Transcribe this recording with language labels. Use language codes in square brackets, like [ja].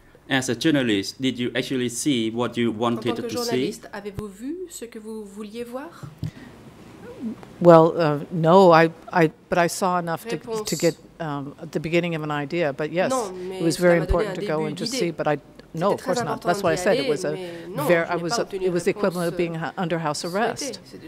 [en] As a journalist, did you actually see what you wanted to see? [fr] Avez-vous vu ce que vous vouliez voir? [en] Well, no, but I saw enough to get the beginning of an idea, but yes, [fr] non, [en] it was very important to go and [fr] d'idée. [en] Just see, but I no, of course not. That's why I said it was it was the equivalent of being under house arrest.